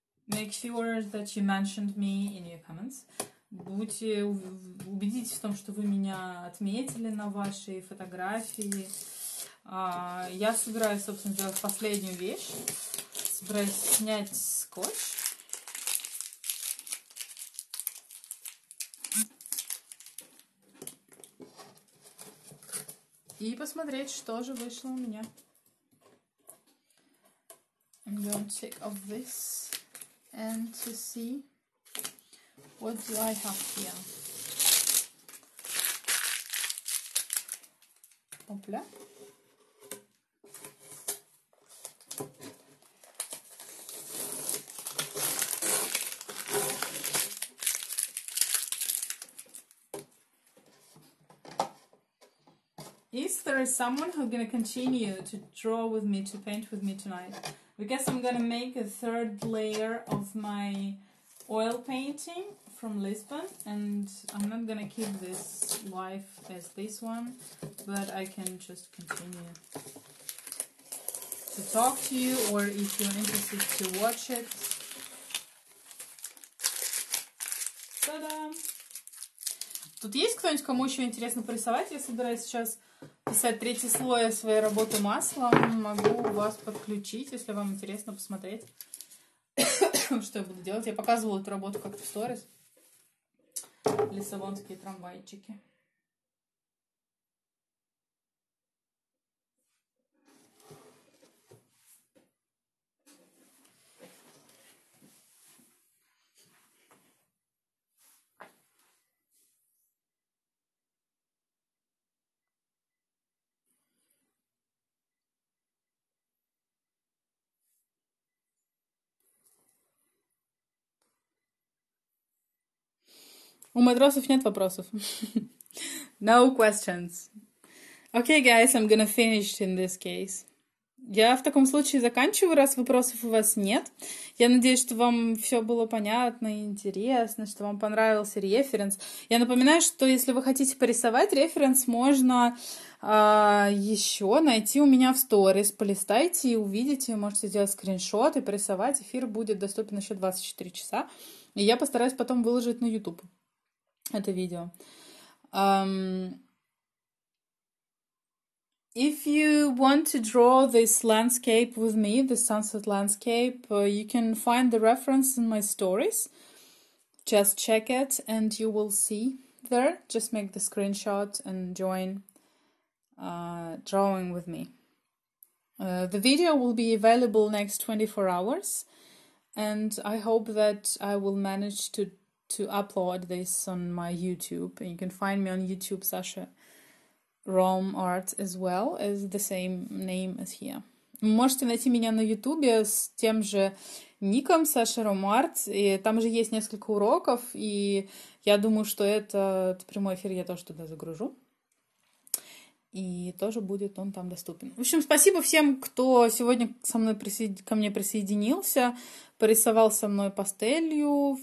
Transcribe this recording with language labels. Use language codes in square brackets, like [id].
[en] Make sure that you mentioned me in your comments. [ru] Будьте, убедитесь в том, что вы меня отметили на вашей фотографии. Я собираюсь, собственно, делать последнюю вещь. Собираюсь снять скотч. И посмотреть, что же вышло у меня. [en] I'm going to take off this. And to see what do I have here. [ru] Опля. [en] Is there someone who's gonna continue to draw with me, to paint with me tonight? I guess I'm gonna make a third layer of my oil painting from Lisbon, and I'm not gonna keep this life as this one, but I can just continue to talk to you, or if you're interested to watch it. [ru] Та-да! Тут есть кто-нибудь, кому еще интересно порисовать? Я собираюсь сейчас писать третий слой своей работы маслом. Могу вас подключить, если вам интересно посмотреть, что я буду делать. Я показывала эту работу как-то в сторис. Лиссабонские трамвайчики. У матросов нет вопросов. [en] No questions. Okay, guys, I'm gonna finish in this case. [ru] Я в таком случае заканчиваю, раз вопросов у вас нет. Я надеюсь, что вам все было понятно и интересно, что вам понравился референс. Я напоминаю, что если вы хотите порисовать референс, можно еще найти у меня в сторис, полистайте и увидите, можете сделать скриншот и порисовать. Эфир будет доступен еще 24 часа, и я постараюсь потом выложить на YouTube это видео. [en] If you want to draw this landscape with me, the sunset landscape, you can find the reference in my stories. Just check it and you will see there. Just make the screenshot and join drawing with me. The video will be available next 24 hours. And I hope that I will manage to upload this on my YouTube. You can find me on YouTube, Sasha Rome Art as well, as the same name as here. [ru] Можете найти меня на Ютубе с тем же ником Саша Rome Art, и там же есть несколько уроков, и я думаю, что этот прямой эфир я тоже туда загружу. И тоже будет он там доступен. В общем, спасибо всем, кто сегодня ко мне присоединился, порисовал со мной пастелью.